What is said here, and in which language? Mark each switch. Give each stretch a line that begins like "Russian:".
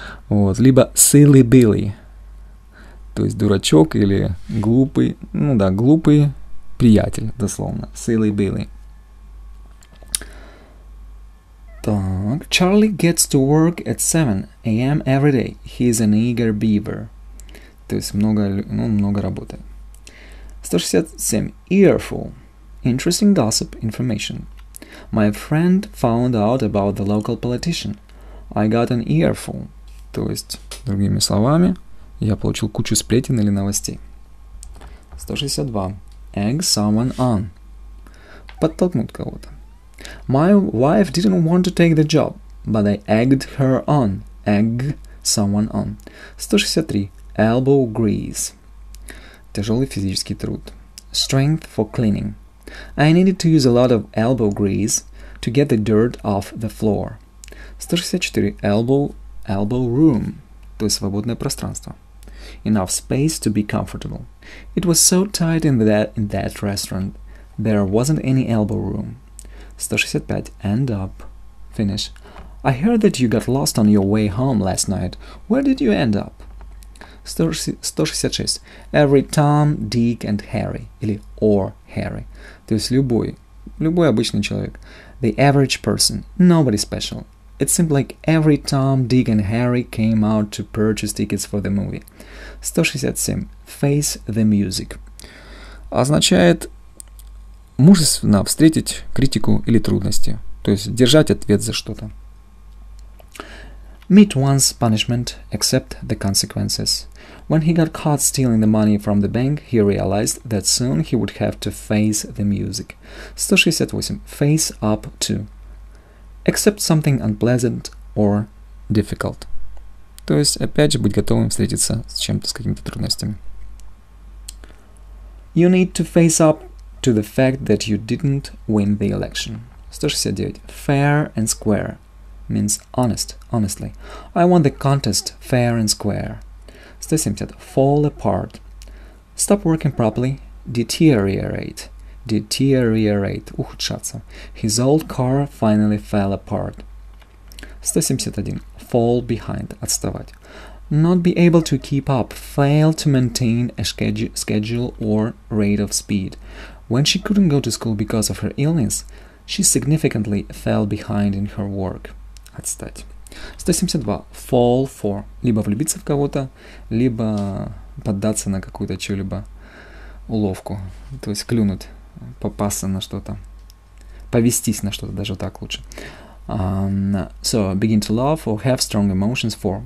Russian: Вот. Либо silly billy, то есть дурачок или глупый, ну да, глупый приятель, дословно, silly billy. Так.
English: Charlie gets to work at 7 a.m. every day. He is an eager beaver.
Russian: То есть много, ну, много работы.
English: 167. Earful. Interesting gossip information. My friend found out about the local politician. I got an earful.
Russian: То есть, другими словами, я получил кучу сплетен или новостей.
English: 162. Egg someone on.
Russian: Подтолкнуть кого-то.
English: My wife didn't want to take the job, but I egged her on. Egg someone on. 163. Elbow grease.
Russian: Тяжелый физический труд.
English: Strength for cleaning. I needed to use a lot of elbow grease to get the dirt off the floor. 164. Elbow room.
Russian: То есть свободное пространство.
English: Enough space to be comfortable. It was so tight in that restaurant. There wasn't any elbow room. 165. End up. Finish. I heard that you got lost on your way home last night. Where did you end up? 166. Every Tom, Dick and Harry.
Russian: Или
English: or Harry.
Russian: То есть любой обычный человек.
English: The average person. Nobody special. It seemed like every Tom, Dick and Harry came out to purchase tickets for the movie. 167. Face the music.
Russian: Означает мужественно встретить критику или трудности. То есть держать ответ за что-то.
English: Meet one's punishment, accept the consequences. When he got caught stealing the money from the bank, he realized that soon he would have to face the music. 168. Face up to. Accept something unpleasant or difficult.
Russian: То есть, опять же, быть готовым встретиться с чем-то, с какими-то трудностями.
English: You need to face up to the fact that you didn't win the election. 169. Fair and square. Means honest, honestly. I won the contest fair and square. 170. Fall apart. Stop working properly. Deteriorate. Deteriorate.
Russian: Ухудшаться.
English: His old car finally fell apart. 171. Fall behind.
Russian: Отставать.
English: Not be able to keep up. Fail to maintain a schedule or rate of speed. When she couldn't go to school because of her illness, she significantly fell behind in her work.
Russian: Отстать.
English: 172. Fall for.
Russian: Либо влюбиться в кого-то, либо поддаться на какую-то чью-либо уловку. То есть клюнуть, попасться на что-то. Повестись на что-то, даже так лучше.
English: So, begin to love or have strong emotions for.